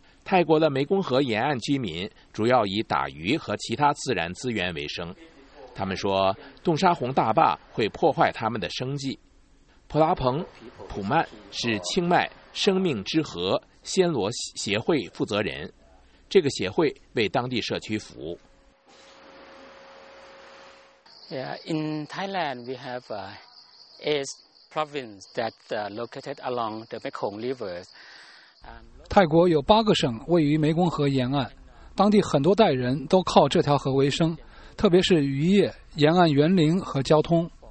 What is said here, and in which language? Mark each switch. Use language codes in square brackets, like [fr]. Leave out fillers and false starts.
[zh] 泰国的湄公河沿岸居民主要以打鱼和其他自然资源为生，他们说洞沙洪大坝会破坏他们的生计。普拉彭普曼是清迈生命之河暹罗协会负责人，这个协会为当地社区服务。 [en] In Thailand we have eight province that located along the Mekong River. [zh] 泰国有8个省位于湄公河沿岸，当地很多代人都靠这条河为生，特别是渔业、沿岸园林和交通。